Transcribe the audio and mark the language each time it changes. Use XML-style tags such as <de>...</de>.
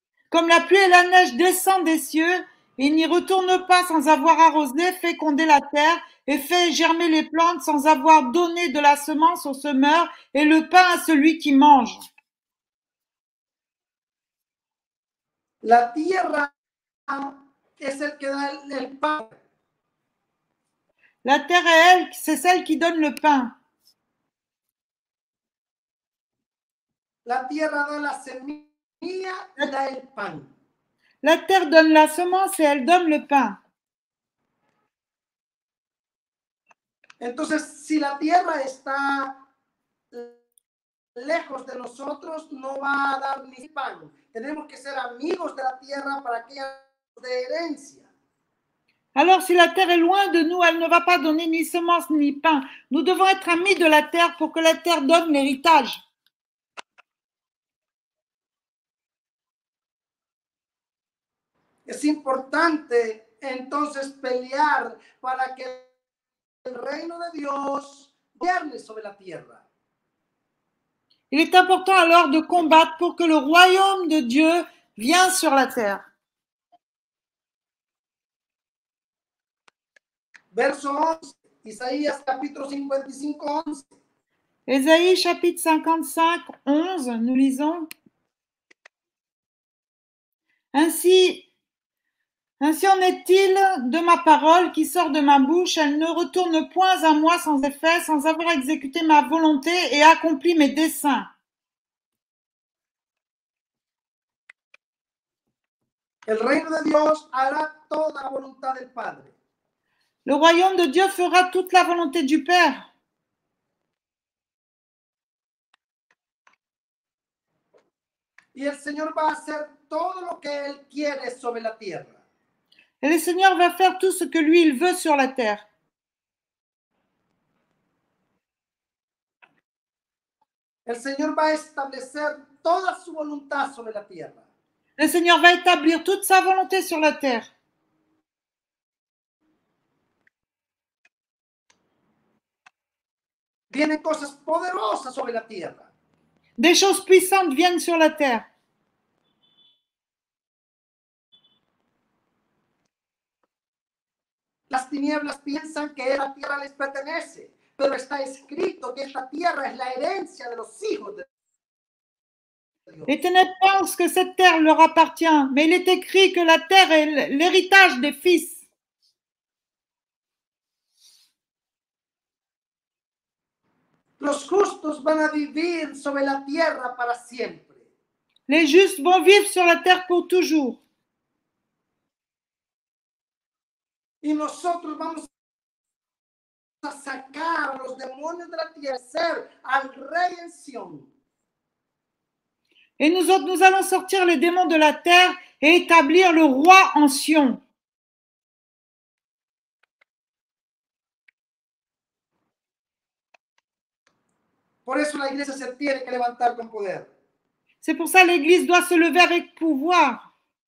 <fr>Comme la pluie et la neige descendent des cieux, il n'y retourne pas sans avoir arrosé, fécondé la terre et fait germer les plantes sans avoir donné de la semence au semeur et le pain à celui qui mange.</fr> <es>La tierra es el que da el pan.</es> <fr>La terre est elle, c'est celle qui donne le pain.</fr> <es>La tierra da la semilla y da el pan.</es> <fr>La terre donne la semence et elle donne le pain.</fr> <es>Entonces, si la tierra está lejos de nosotros, no va a dar ni pan. Tenemos que ser amigos de la tierra para que haya de herencia.</es> <fr>Alors, si la terre est loin de nous, elle ne va pas donner ni semence ni pain. Nous devons être amis de la terre pour que la terre donne l'héritage.</fr> <es>Es importante entonces pelear para que el reino de Dios gobierne sobre la tierra.</es> <fr>Il est important alors de combattre pour que le royaume de Dieu vienne sur la terre.</fr> <es>Verso 11, Isaías capítulo 55, 11.</es> <fr>Ésaïe chapitre 55, 11, nous lisons. Ainsi en est-il de ma parole qui sort de ma bouche, elle ne retourne point à moi sans effet, sans avoir exécuté ma volonté et accompli mes desseins.</fr> <es>El reino de Dios hará toda la voluntad del Padre.</es> <fr>Le royaume de Dieu fera toute la volonté du Père.</fr> <es>Y el Señor va a hacer todo lo que él quiere sobre la tierra.</es> <fr>Et le Seigneur va faire tout ce que lui, il veut sur la terre.</fr> <es>El Señor va a establecer toda su voluntad sobre la tierra.</es> <fr>Le Seigneur va établir toute sa volonté sur la terre.</fr> <es>Vienen cosas poderosas sobre la tierra.</es> <fr>Des choses puissantes viennent sur la terre.</fr> <es>Las tinieblas piensan que esta tierra les pertenece, pero está escrito que esta tierra es la herencia de los hijos de Dios.</es> <fr>Les ténèbres pensent que cette terre leur appartient, mais il est écrit que la terre est l'héritage des fils.</fr> <es>Los justos van a vivir sobre la tierra para siempre.</es> <fr>Les justes vont vivre sur la terre pour toujours.</fr> <es>Y nosotros vamos a sacar a los demonios de la tierra, ser al rey en Sion.</es> <fr>Et nous autres, nous allons sortir les démons de la terre et établir le roi en Sion.</fr> <es>Por eso la iglesia se tiene que levantar con poder.</es> <fr>C'est pour ça que l'église doit se lever avec pouvoir.</fr>